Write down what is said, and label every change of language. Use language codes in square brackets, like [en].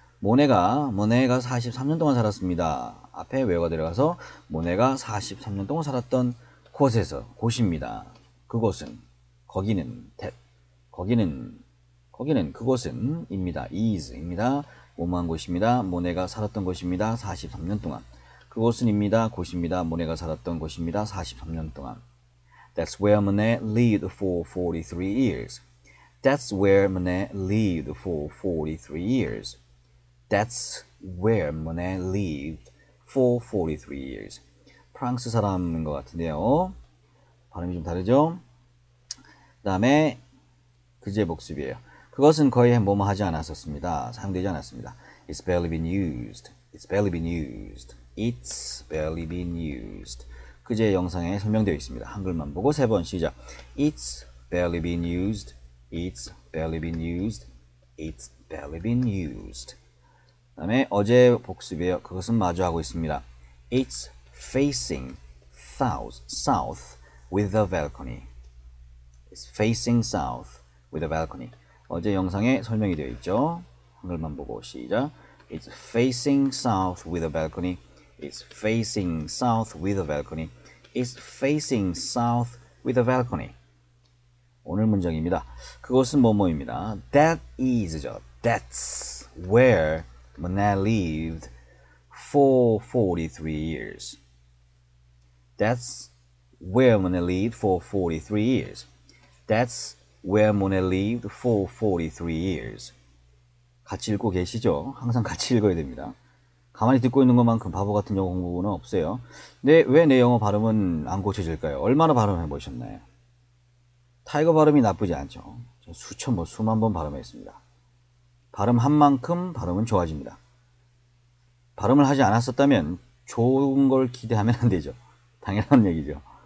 [ko] 모네가 43년 동안 살았습니다. 앞에 where가 들어가서 모네가 43년 동안 살았던 곳에서 곳입니다. 그곳은 거기는 that 거기는 그곳은입니다. is입니다. 뭐뭐한 곳입니다. 모네가 살았던 곳입니다. 43년 동안. 그곳은입니다. 곳입니다. 모네가 살았던 곳입니다. 43년 동안. [en] That's where Monet lived for 43 years. That's where Monet lived for 43 years. That's where Monet lived for 43 years. [ko] 프랑스 사람인 것 같은데요. 발음이 좀 다르죠? 그 다음에 그제 복습이에요. 그것은 거의 뭐뭐 하지 않았었습니다. 사용되지 않았습니다. [en] It's barely been used. It's barely been used. It's barely been used. [ko] 그제 영상에 설명되어 있습니다. 한글만 보고 세 번 시작. [en] It's barely been used. It's barely been used. It's barely been used. [ko] 그 다음에 어제 복습이에요. 그것은 마주하고 있습니다. [en] It's facing south with a balcony. It's facing south with a balcony. [ko] 어제 영상에 설명이 되어 있죠. 한글만 보고 시작. [en] It's facing south with a balcony. It's facing south with a balcony. It's facing south with a balcony. [ko] 오늘 문장입니다. 그것은 뭐뭐입니다. [en] That is [ko] 죠. [en] That's where Monet lived for 43 years. That's where Monet lived for 43 years. That's where Monet lived for 43 years. [ko] 같이 읽고 계시죠? 항상 같이 읽어야 됩니다. 가만히 듣고 있는 것만큼 바보 같은 영어 공부는 없어요. 근데 왜 내 영어 발음은 안 고쳐질까요? 얼마나 발음해 보셨나요? 타이거 발음이 나쁘지 않죠. 수천 번, 수만 번 발음했습니다. 발음 한 만큼 발음은 좋아집니다. 발음을 하지 않았었다면 좋은 걸 기대하면 안 되죠. 당연한 얘기죠.